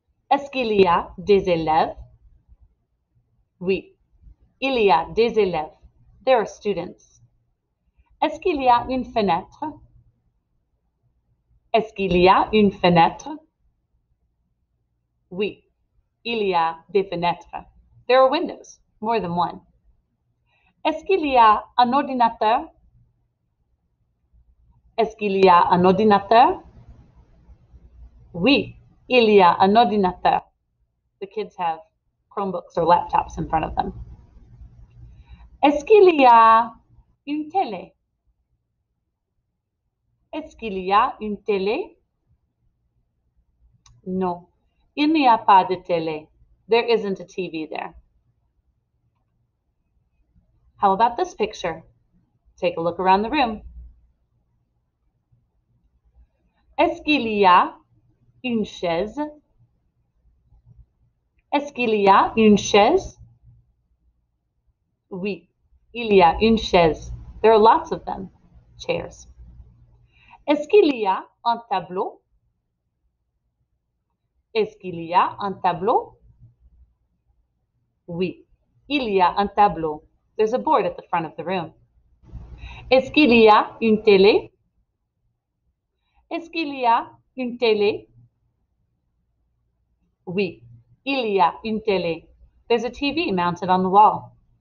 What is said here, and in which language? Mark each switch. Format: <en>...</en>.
<fr>Est-ce qu'il y a des élèves? Oui, il y a des élèves.</fr> <en>There are students.</en> <fr>Est-ce qu'il y a une fenêtre? Est-ce qu'il y a une fenêtre? Oui, il y a des fenêtres.</fr> <en>There are windows, more than one.</en> <fr>Est-ce qu'il y a un ordinateur? Est-ce qu'il y a un ordinateur? Oui, il y a un ordinateur.</fr> <en>The kids have Chromebooks or laptops in front of them.</en> <fr>Est-ce qu'il y a une télé? Est-ce qu'il y a une télé? Non, il n'y a pas de télé.</fr> <en>There isn't a TV there. How about this picture? Take a look around the room.</en> <fr>Est-ce qu'il y a une chaise? Est-ce qu'il y a une chaise? Oui, il y a une chaise.</fr> <en>There are lots of them. Chairs.</en> <fr>Est-ce qu'il y a un tableau? Est-ce qu'il y a un tableau? Oui, il y a un tableau.</fr> <en>There's a board at the front of the room.</en> <fr>Est-ce qu'il y a une télé? Est-ce qu'il y a une télé? Oui, il y a une télé.</fr> <en>There's a TV mounted on the wall.</en>